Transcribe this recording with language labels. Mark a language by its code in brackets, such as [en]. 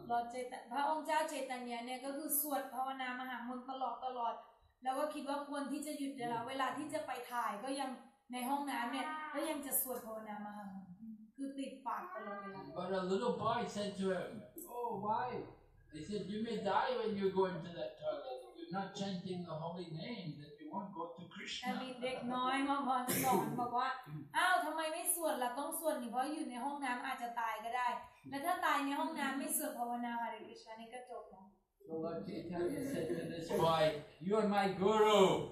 [th] Lord Chaitanya, เนี่ยก็คือสวดภาวนามหามนต์ตลอดแล้วก็คิดว่าควรที่จะหยุดเวลาที่จะไปถ่ายก็ยังในห้องน้ำเนี่ยก็ยังจะสวดภาวนามหามนต์คือติดปากตลอดเวลา [en] But a little boy said to him, "Oh, oh, why? They said, you may die when you go into that toilet. You're not chanting the holy name, that you won't go to Krishna. [th] แต่มีเด็กน้อยมาบอกสอนบอกว่าอ้าวทำไมไม่สวดล่ะต้องสวดนี่เพราะอยู่ในห้องน้ำอาจจะตายก็ได้และถ้าตายในห้องน้ำไม่สวดภาวนาหรือ Krishna นี่ก็จบแล้ว [en] Lord Chaitanya said to this boy, you are my guru.